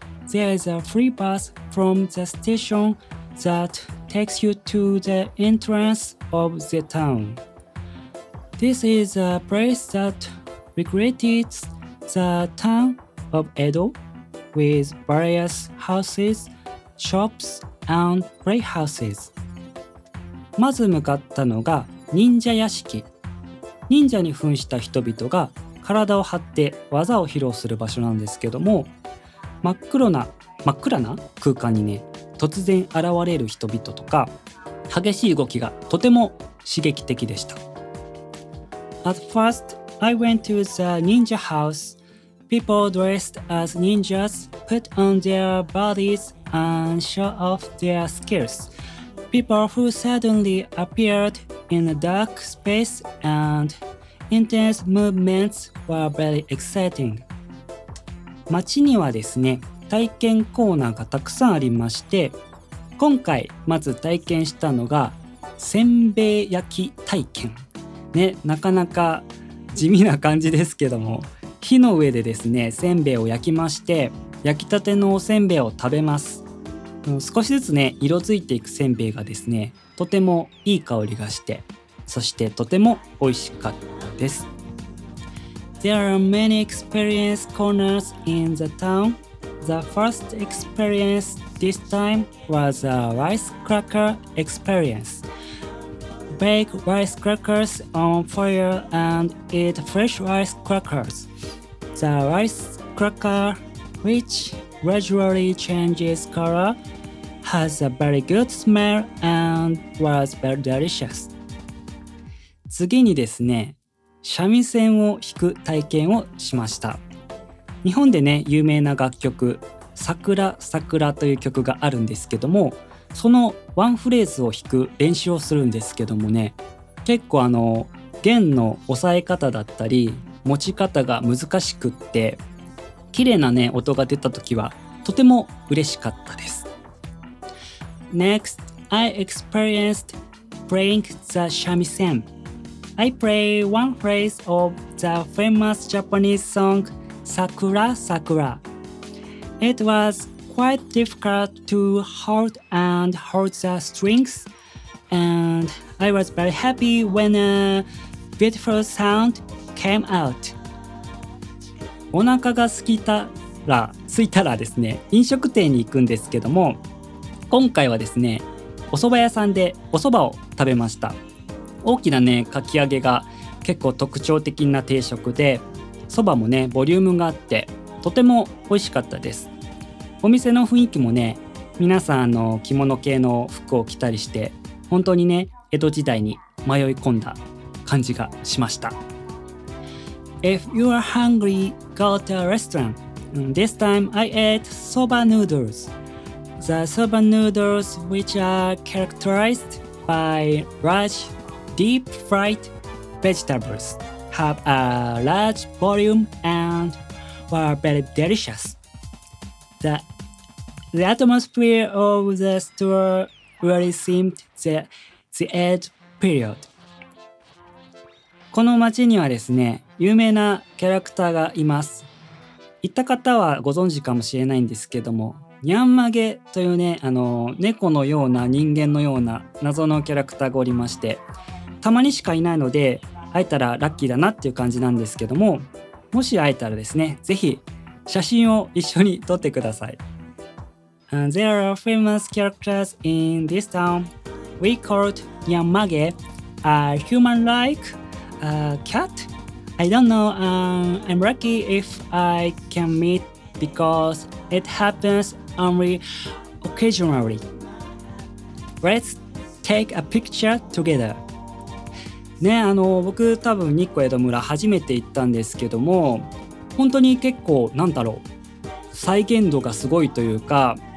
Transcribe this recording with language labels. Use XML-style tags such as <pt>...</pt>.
<en>There is a free bus from the station that takes you to the entrance of the town. This is a place that recreated the town of Edo with various houses, shops and playhouses.</en> <ja>まず向かったのが忍者屋敷。忍者に扮した人々が体を張って技を披露する場所なんですけども、真っ暗な空間にね、突然現れる人々とか、激しい動きがとても刺激的でした。</ja> <en>At first, I went to the ninja house. People dressed as ninjas put on their bodies and show off their skills. People who suddenly appeared in a dark space and intense movements were very exciting.</en> <ja>街にはですね、体験コーナーがたくさんありまして、今回まず体験したのがせんべい焼き体験ね。なかなか地味な感じですけども、火の上でですね、せんべいを焼きまして、焼きたてのおせんべいを食べます。少しずつね、色づいていくせんべいがですね、とてもいい香りがして、そしてとても美味しかったです。</ja> <en>There are many experience corners in the townThe first experience this time was a rice cracker experience. Bake rice crackers on fire and eat fresh rice crackers. The rice cracker, which gradually changes color, has a very good smell and was very delicious.</en> <ja>次にですね、三味線を弾く体験をしました。日本でね、有名な楽曲桜桜という曲があるんですけども、そのワンフレーズを弾く練習をするんですけどもね、結構弦の押さえ方だったり持ち方が難しくって、綺麗なね、音が出た時はとても嬉しかったです。</ja> <en>Next, I experienced playing the shamisen. I play one phrase of the famous Japanese songSakura Sakura. It was quite difficult to hold the strings, and I was very happy when a beautiful sound came out.</en> <ja>お腹が空いたらですね、飲食店に行くんですけども、今回はですね、お蕎麦屋さんでお蕎麦を食べました。大きなね、かき揚げが結構特徴的な定食で、そばもね、ボリュームがあってとても美味しかったです。お店の雰囲気もね、皆さん着物系の服を着たりして、本当にね、江戸時代に迷い込んだ感じがしました。</ja> <en>If you are hungry, go to a restaurant. This time I ate soba noodles. The soba noodles, which are characterized by large deep fried vegetables,have a large volume and were very delicious. The atmosphere of the store really seemed the Edo period.</en> <ja>この街にはですね、有名なキャラクターがいます。行った方はご存知かもしれないんですけども、ニャンマゲというね、猫のような人間のような謎のキャラクターがおりまして、たまにしかいないので、会えたらラッキーだなっていう感じなんですけども、もし会えたらですね、ぜひ写真を一緒に撮ってください。</ja> <en>There are famous characters in this town. We called Nyanmage a human-like a cat. I don't know, I'm lucky if I can meet because it happens only occasionally. Let's take a picture together.</en> <ja>ね、僕多分日光江戸村初めて行ったんですけども、本当に結構再現度がすごいというか、</ja>